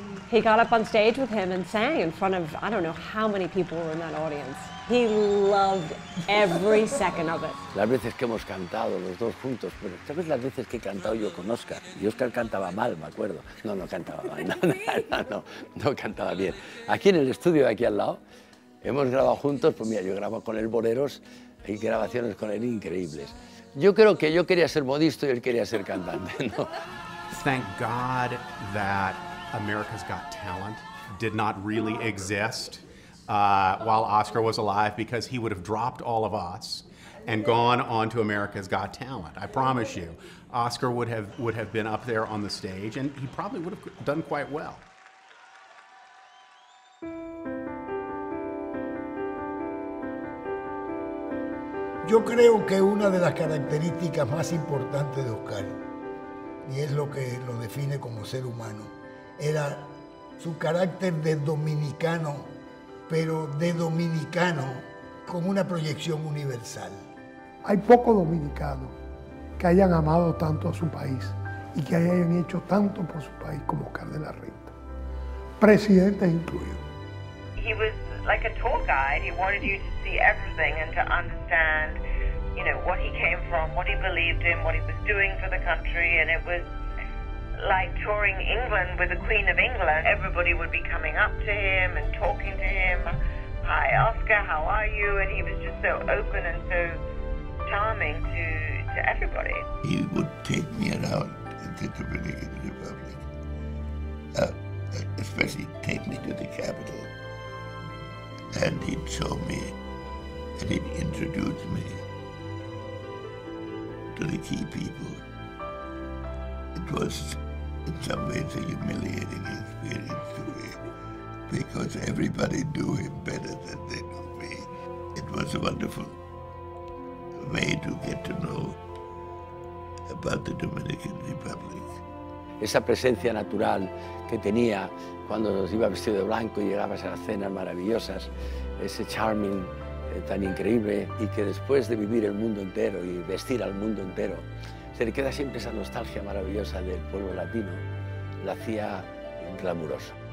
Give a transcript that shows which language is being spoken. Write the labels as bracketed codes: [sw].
[en] He got up on stage with him and sang in front of, I don't know how many people were in that audience. He loved every second of it. [es] Las veces que hemos cantado los dos juntos, pero ¿sabes las veces que he cantado yo con Oscar? Y Oscar cantaba mal, me acuerdo. No, no cantaba mal, no cantaba bien. Aquí en el estudio de aquí al lado, hemos grabado juntos, pues mira, yo grabo con él boleros, hay grabaciones con él increíbles. Yo creo que yo quería ser modisto y él quería ser cantante, ¿no? [en] Thank God that America's Got Talent did not really exist while Oscar was alive, because he would have dropped all of us and gone on to America's Got Talent. I promise you, Oscar would have been up there on the stage, and he probably would have done quite well. [es] Yo creo que una de las características más importantes de Oscar, y es lo que lo define como ser humano, era su carácter de dominicano, pero de dominicano con una proyección universal. Hay pocos dominicanos que hayan amado tanto a su país y que hayan hecho tanto por su país como Oscar de la Renta, presidentes incluidos. [en] He was like a tour guide. He wanted you to see everything and to understand, you know, what he came from, what he believed in, what he was doing for the country, and it was like touring England with the Queen of England. Everybody would be coming up to him and talking to him. Hi, Oscar, how are you? And he was just so open and so charming to everybody. He would take me around to the Dominican Republic, especially take me to the capital. And he'd show me, and he'd introduce me to the key people. It was, in some ways, a humiliating experience to me, because everybody knew him better than they knew me. It was a wonderful way to get to know about the Dominican Republic. [es] Esa presencia natural que tenía cuando nos iba vestido de blanco y llegabas a las cenas maravillosas, ese charming tan increíble, y que después de vivir el mundo entero y vestir al mundo entero, se le queda siempre esa nostalgia maravillosa del pueblo latino, la hacía glamuroso.